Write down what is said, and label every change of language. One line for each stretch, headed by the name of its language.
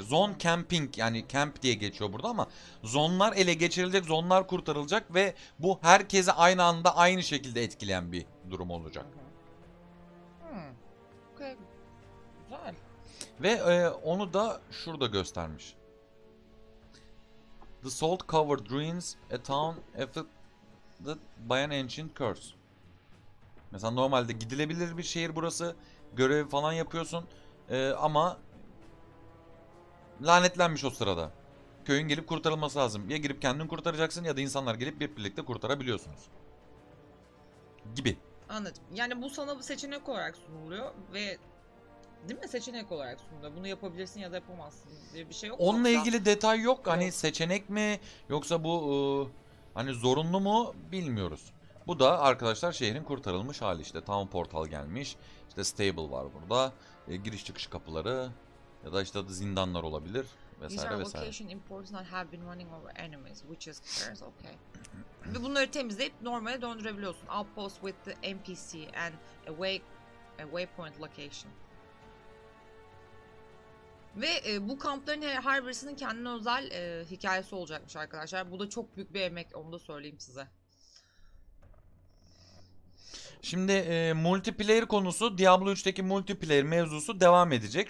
Turkish: Zone camping yani camp diye geçiyor burada ama zonlar ele geçirilecek, zonlar kurtarılacak ve bu herkese aynı anda aynı şekilde etkileyen bir durum olacak. Güzel. Ve onu da şurada göstermiş.
English: The salt covered ruins, a town affected by an ancient curse.
Turkish: Mesela normalde gidilebilir bir şehir burası. Görevi falan yapıyorsun. Ama lanetlenmiş o sırada. Köyün gelip kurtarılması lazım. Ya girip kendin kurtaracaksın ya da insanlar gelip birlikte kurtarabiliyorsunuz. Gibi. Anladım. Yani bu sana bir seçenek olarak sunuluyor ve değil mi? Seçenek olarak sunuluyor. Bunu yapabilirsin ya da yapamazsın diye bir şey yok. Onunla yoksa ilgili detay yok. Yok. Hani seçenek mi yoksa bu hani zorunlu mu bilmiyoruz. Bu da arkadaşlar şehrin kurtarılmış hali işte. Town portal gelmiş. İşte stable var burada. Giriş çıkış kapıları. Ya da işte zindanlar olabilir vesaire vesaire.
English: These are location important that have been running over enemies, which is curious, okay.
Turkish: Ve bunları temizleyip normale döndürebiliyorsun.
English: Outpost with the NPC and a waypoint location.
Turkish: Ve bu kampların her birisinin kendine özel hikayesi olacakmış arkadaşlar. Bu da çok büyük bir emek, onu da söyleyeyim size. Şimdi multiplayer konusu, Diablo 3'teki multiplayer mevzusu devam edecek.